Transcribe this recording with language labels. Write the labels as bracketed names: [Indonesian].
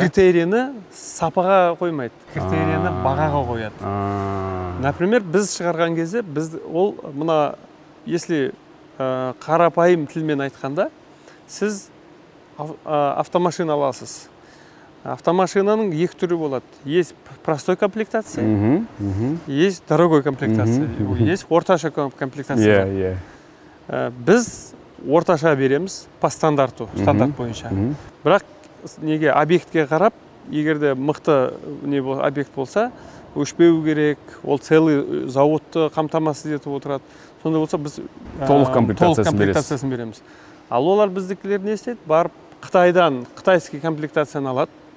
[Kazakh] Критерияны сапаға қоймайды, критерияны бағаға қояды. Например, біз шығарған кезде біз ол мына если қарапайым тілмен айтқанда, сіз автомашина аласыз. Автомашинаның екі түрі болады. [Russian] Есть простой комплектация, есть дорогой комплектация, есть [Kazakh] орташа [Russian] комплектация. [Kazakh] Біз орташа береміз [Russian] по стандарту, [Kazakh] стандарт бойынша. Бірақ неге объектке қарап, егер де мықты не объект болса, өшпеу керек, ол целый зауытты қамтамасыз етіп отырады. Сонда болса біз толық комплектациясын береміз. Ал олар біздікілер не істейді? Барып Қытайдан қытайский комплектацияны алады.